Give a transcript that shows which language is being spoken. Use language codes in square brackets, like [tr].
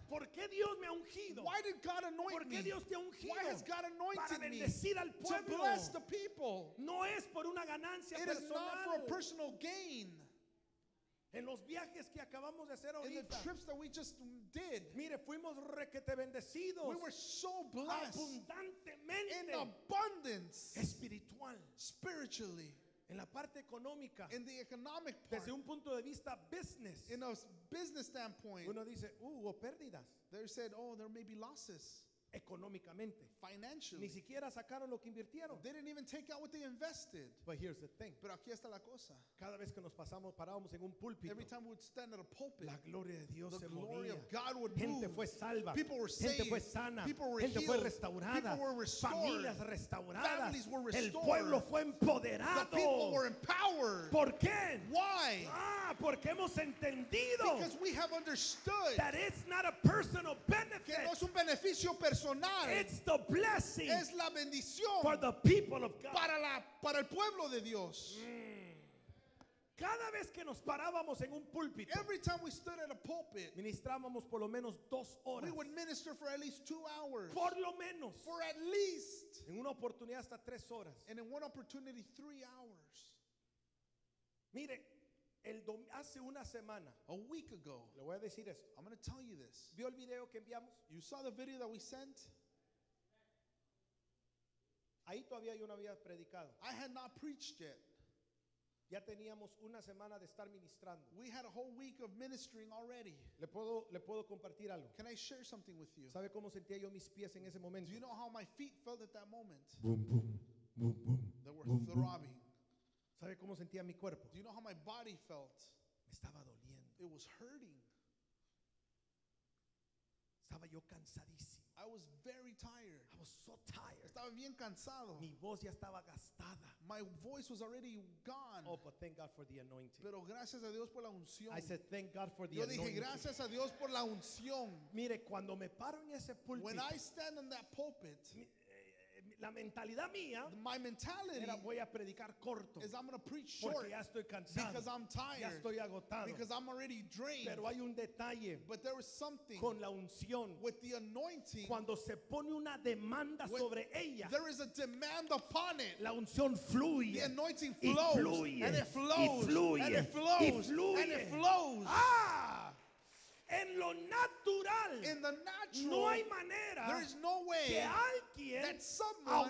[es] ¿Por qué Dios me ha ungido? [en] Why did God anoint [es] ¿Por qué Dios te ha ungido? [en] Why has God anointed [es] para bendecir me al pueblo. [en] To bless the people. [es] No es por una ganancia [en] it [es] personal. [en] It is not for a personal gain. [es] En los viajes que acabamos de hacer ahorita. [en] In the trips that we just did. [es] Mire, fuimos requete bendecidos. [en] We were so blessed. [es] Abundantemente. [en] In abundance. [es] Espiritual. [en] Spiritually. [es] En la parte económica. [en] In the economic part. [es] Desde un punto de vista business. [en] In a business standpoint. [es] Uno dice, hubo pérdidas. [en] They said, oh, there may be losses. [es] Económicamente. [en] Financially. [es] Ni siquiera sacaron lo que invirtieron. [en] They didn't even take out what they invested. But here's the thing. [es] Pero aquí está la cosa. Cada vez que nos pasamos, parábamos en un púlpito. [en] Every time we would stand at a pulpit. [es] La gloria de Dios [en] the [es] se [en] glory [es] movía. [en] Of God would move. [es] Gente fue salva. [en] People were saved. [es] Gente fue sana. [en] People were [es] gente [en] healed. [es] Fue restaurada. [en] People were restored. [es] Familias restauradas. [en] Families were restored. [es] El pueblo fue empoderado. [en] The people were empowered. [es] ¿Por qué? [en] Why? [es] Ah, porque hemos entendido. [en] Because we have understood. That it's not a personal benefit. [es] Que no es un beneficio personal. [en] It's the blessing [es] es la bendición [en] for the people of God. [es] Para el pueblo de Dios. Cada vez que nos parábamos en un púlpito, [en] every time we stood at a pulpit, [es] ministrábamos por lo menos dos horas. [en] We would minister for at least 2 hours. [es] Por lo menos. [en] For at least. [es] En una oportunidad hasta 3 horas. [en] And in one opportunity 3 hours. [es] Mire. Hace una semana, [en] a week ago, [es] le voy a decir esto. [en] I'm going to tell you this. [es] ¿Vio el video que enviamos? [en] You saw the video that we sent. [es] Ahí todavía yo no había predicado. [en] I had not preached yet. [es] Ya teníamos una semana de estar ministrando. [en] We had a whole week of ministering already. [es] Le puedo compartir algo. [en] Can I share something with you? [es] ¿Sabe cómo sentía yo mis pies en ese momento? [en] Do you know how my feet felt at that moment? Boom boom boom boom. They were boom, throbbing. Boom. [es] ¿Sabe cómo sentía mi cuerpo? [en] Do you know how my body felt? [es] Me estaba doliendo. [en] It was hurting. [es] Estaba yo cansadísimo. [en] I was very tired. I was so tired. [es] Estaba bien cansado. Mi voz ya estaba gastada. [en] My voice was already gone. Oh, but thank God for the anointing. [es] Pero gracias a Dios por la unción. [en] I said thank God for the [es] yo [en] anointing. [es] Yo dije gracias a Dios por la unción. Mire, cuando me paro en ese púlpito. [en] When I stand on that pulpit. [es] La mentalidad mía, [en] my mentality [es] era voy a predicar corto, [en] is I'm going to preach short [es] porque ya estoy cansado, [en] because I'm tired, [es] ya estoy agotado, [en] because I'm already drained. [es] Pero hay un detalle, [en] but there was something [es] con la unción, [en] with the anointing, [es] cuando se pone una demanda sobre ella, [en] there is a demand upon it, [es] la unción fluye, [en] the anointing flows, [es] y fluye, [en] and it flows, [es] y fluye, [en] and it flows, [es] y fluye, [en] and it flows. [es] Ah! En lo natural, [en] in the natural, [es] no hay manera, [en] there is no way [es] que alguien [en] that someone